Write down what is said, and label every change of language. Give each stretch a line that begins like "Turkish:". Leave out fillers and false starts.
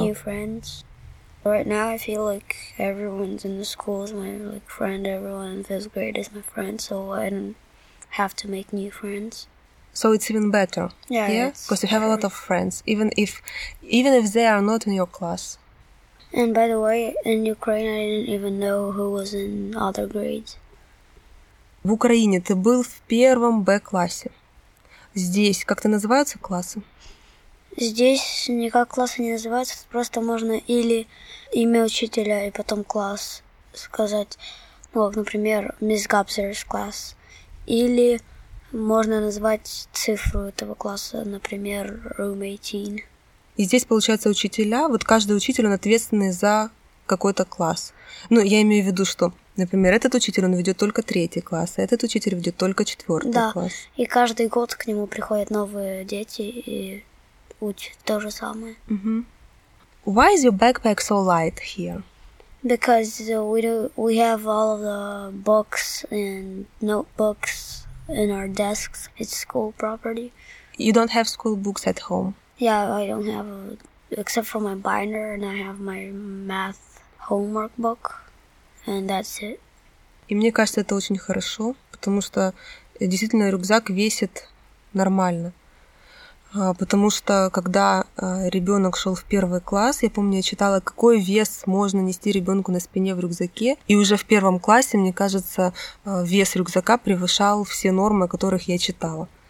English: New friends. Right now I feel like everyone's in the school is my like friend, everyone in fifth grade is my friend, so I don't have to make new friends. So it's even better, yeah? Because you have a lot of friends, even if they are not in your class. And by the way, in Ukraine, I didn't even know who was in other grades.
Russian: В Украине ты был в первом Б-классе. Здесь как-то называются классы? Здесь никак классы не называются. Просто можно или имя учителя, и потом класс сказать. Вот, например, Miss Gabser's class. Или можно назвать цифру этого класса, например, Room 18. И здесь, получается, учителя, вот каждый учитель, он ответственный за какой-то класс. Ну, я имею в виду, что, например, этот учитель, он ведет только 3-й класс, а этот учитель ведет только 4-й класс. Да, и каждый год к нему приходят новые дети и учат то же самое.
English: Uh-huh. Why is your backpack so light here? Because we have all of the books and notebooks in our desks. It's school property. You don't have school books at home? Yeah, I don't have, except for my binder, and I have my math homework book, and that's it.
Russian: И мне кажется, это очень хорошо, потому что действительно рюкзак весит нормально. Потому что когда ребенок шел в первый класс, я помню, я читала, какой вес можно нести ребенку на спине в рюкзаке. И уже в первом классе, мне кажется, вес рюкзака превышал все нормы, о которых я читала.